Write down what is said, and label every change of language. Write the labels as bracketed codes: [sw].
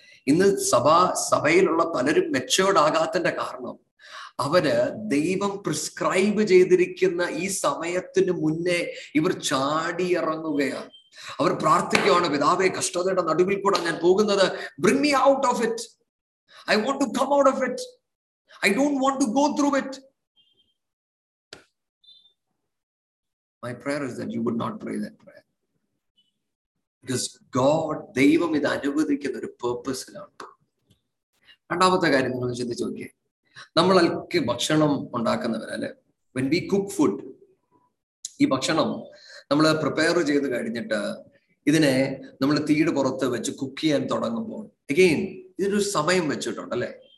[ml] ഇന്ന് സഭയിലുള്ള പലരും മെച്യോർഡ് ആകാത്തതിന്റെ കാരണം അവര് ദൈവം പ്രിസ്ക്രൈബ് ചെയ്തിരിക്കുന്ന ഈ സമയത്തിന് മുന്നേ ഇവർ ചാടിയിറങ്ങുകയാണ്. അവർ പ്രാർത്ഥിക്കുകയാണ്, പിതാവേ കഷ്ടതയുടെ നടുവിൽ കൂടെ ഞാൻ പോകുന്നത്, [en] Bring me out of it, I want to come out of it, I don't want to go through it. My prayer is that you would not pray that prayer. Because God, [ml] ദൈവം ഇത് അനുവദിക്കുന്ന ഒരു പേർപ്പസിലാണ്. രണ്ടാമത്തെ കാര്യം നിങ്ങൾ ചിന്തിച്ചു നോക്കിയേ, നമ്മളൊക്കെ ഭക്ഷണം ഉണ്ടാക്കുന്നവരല്ലേ. [en] When we cook food, [ml] ഈ ഭക്ഷണം നമ്മൾ പ്രിപ്പയർ ചെയ്ത് കഴിഞ്ഞിട്ട് ഇതിനെ നമ്മൾ തീയുടെ പുറത്ത് വെച്ച് കുക്ക് ചെയ്യാൻ തുടങ്ങുമ്പോൾ, അഗെയിൻ ഇതിനൊരു സമയം വെച്ചിട്ടുണ്ടല്ലേ.